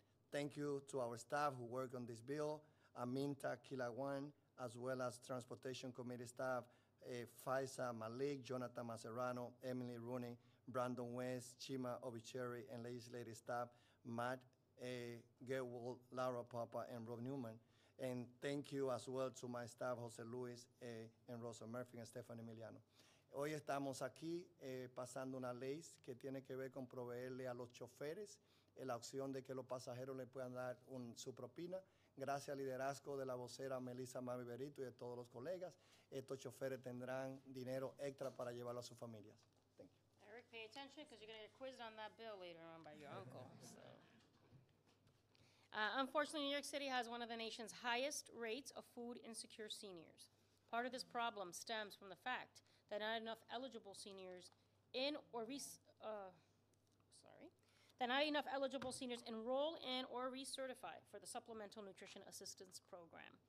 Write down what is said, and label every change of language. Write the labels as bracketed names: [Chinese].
[English] Thank you to our staff who work on this bill, Aminta Kilawan, as well as Transportation Committee staff, Faisa Malik, Jonathan Maserano, Emily Rooney, Brandon West, Chima Obicheri, and legislative staff, Matt Gerwell, Laura Papa, and Rob Newman. And thank you as well to my staff, Jose Luis, and Rosa Murphy, and Stephanie Emiliano. [Spanish] Hoy estamos aquí pasando una ley que tiene que ver con proveerle a los choferes la opción de que los pasajeros le puedan dar su propina. Gracias al liderazgo de la vocera Melissa Mavi Berito y de todos los colegas, estos choferes tendrán dinero extra para llevarlo a sus familias. [English] Thank you. Eric, pay attention because you're going to get quizzed on that bill later on by your uncle. Unfortunately, New York City has one of the nation's highest rates of food insecure seniors. Part of this problem stems from the fact that not enough eligible seniors enroll in or recertify for the Supplemental Nutrition Assistance Program.